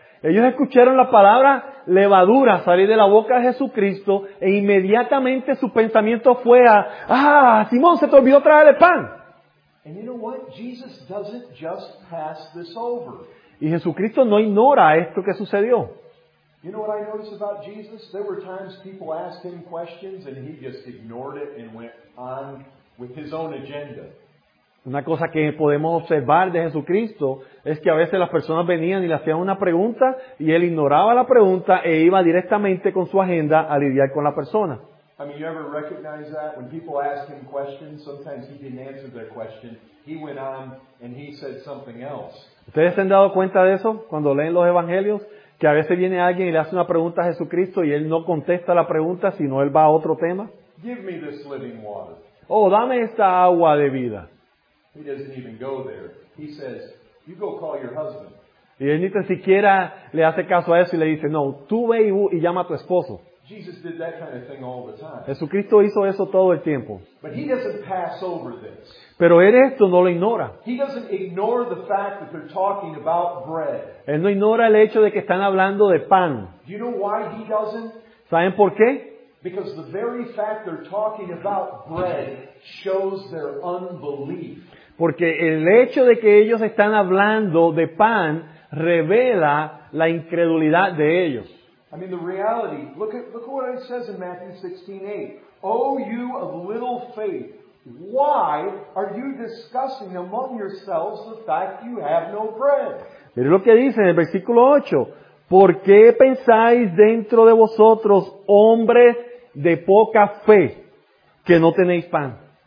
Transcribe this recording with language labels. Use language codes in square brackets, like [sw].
[es] Ellos escucharon la palabra levadura salir de la boca de Jesucristo e inmediatamente su pensamiento fue a, ¡ah, Simón, se te olvidó traer el pan! [en] And you know what? Jesus doesn't just pass this over. [es] Y Jesucristo no ignora esto que sucedió. [en] You know what I noticed about Jesus? There were times people asked him questions and he just ignored it and went on with his own agenda. [es] Una cosa que podemos observar de Jesucristo es que a veces las personas venían y le hacían una pregunta y él ignoraba la pregunta e iba directamente con su agenda a lidiar con la persona. [en] I mean, you ever recognize that? When people ask him questions, sometimes he didn't answer their question. He went on and he said something else. [es] ¿Ustedes se han dado cuenta de eso cuando leen los evangelios? Que a veces viene alguien y le hace una pregunta a Jesucristo y él no contesta la pregunta, sino él va a otro tema. [en] Give me this living water. [es] Oh, dame esta agua de vida. [en] He doesn't even go there. He says, you go call your husband. [es] Y él ni siquiera le hace caso a eso y le dice, no, tú ve y llama a tu esposo. [en] Jesus did that kind of thing all the time. [es] Jesucristo hizo eso todo el tiempo. [en] But he doesn't pass over this. [es] Pero él esto no lo ignora. [en] He doesn't ignore the fact that they're talking about bread. [es] Él no ignora el hecho de que están hablando de pan. [en] Do you know why he doesn't? [es] ¿Saben por qué? [en] Because the very fact they're talking about bread shows their unbelief. [es] Porque el hecho de que ellos están hablando de pan revela la incredulidad de ellos. [en] I mean, the reality, look at what it says in Matthew 16:8. O you of little faith, why are you discussing among yourselves the fact you have no bread? [es] Mire lo que dice en el versículo 8. ¿Por qué pensáis dentro de vosotros, hombres de poca fe, que no tenéis pan?